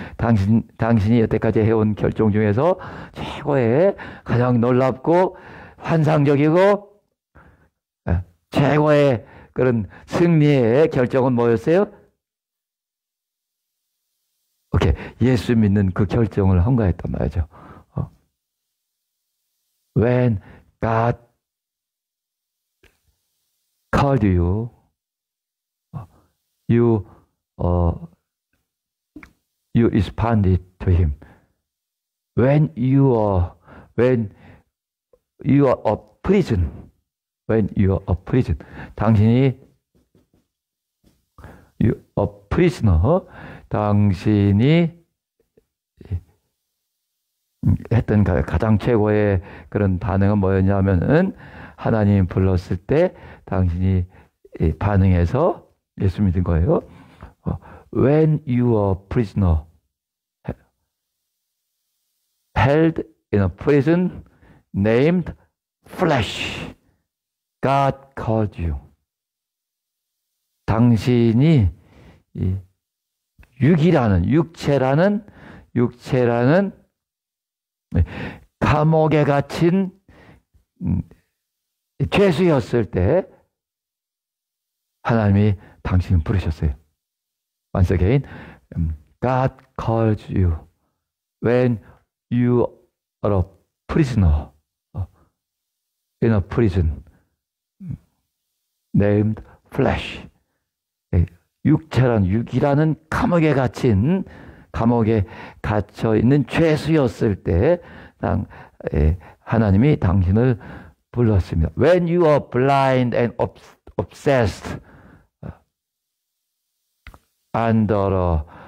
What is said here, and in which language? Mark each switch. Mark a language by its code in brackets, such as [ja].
[ko] 당신이 여태까지 해온 결정 중에서 최고의 가장 놀랍고 환상적이고 최고의 그런 승리의 결정은 뭐였어요? 오케이. 예수 믿는 그 결정을 한 거였단 말이죠. [en] When God called you, you responded to him. When you are a prisoner, [ko] 당신이 [en] you a prisoner, [ko] 당신이 했던 가장 최고의 그런 반응은 뭐였냐면은 하나님 불렀을 때 당신이 반응해서 예수 믿은 거예요. [en] When you are a prisoner, held in a prison named flesh, God called you. [ko] 당신이 육체라는 감옥에 갇힌 죄수였을 때 하나님이 당신을 부르셨어요. [en] Once again, God calls you when you are a prisoner in a prison named flesh. [ko] 육이라는 감옥에 갇혀 있는 죄수였을 때, 하나님이 당신을 불렀습니다. [en] When you are blind and obsessed under a